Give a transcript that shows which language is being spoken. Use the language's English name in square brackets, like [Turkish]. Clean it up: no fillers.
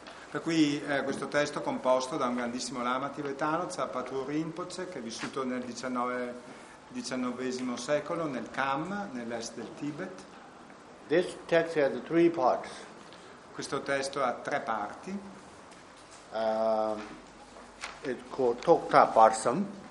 [Italian] Per cui questo testo composto da un grandissimo lama tibetano, Tsapatu Rinpoche, che è vissuto nel 19th secolo nel Kham, nell'est del Tibet. [English] This text has three parts. [Italian] Questo testo ha tre parti. [English] It's called Tokta Parsam.